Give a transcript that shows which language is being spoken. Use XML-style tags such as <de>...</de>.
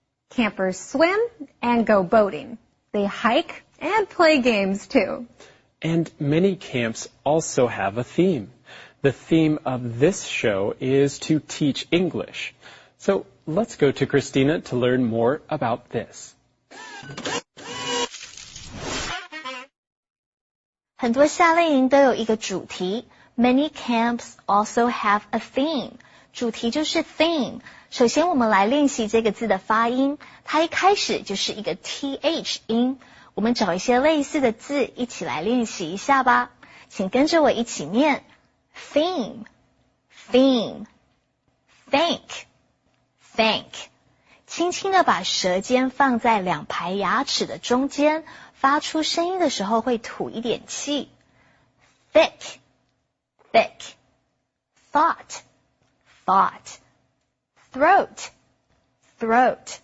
<en>Campers swim and go boating. They hike and play games, too. And many camps also have a theme. The theme of this show is to teach English. So let's go to Christina to learn more about this.</en> <zh>很多夏令营都有一个主题。</zh> <en>Many camps also have a theme.</en> <zh>主题就是 theme。首先我们来练习这个字的发音，它一开始就是一个 TH 音，我们找一些类似的字一起来练习一下吧，请跟着我一起念</zh> <en>Theme Theme Think Think</en> <zh>轻轻地把舌尖放在两排牙齿的中间，发出声音的时候会吐一点气</zh> <en>Thick Thick Thought Thoughtthroat, throat.</en>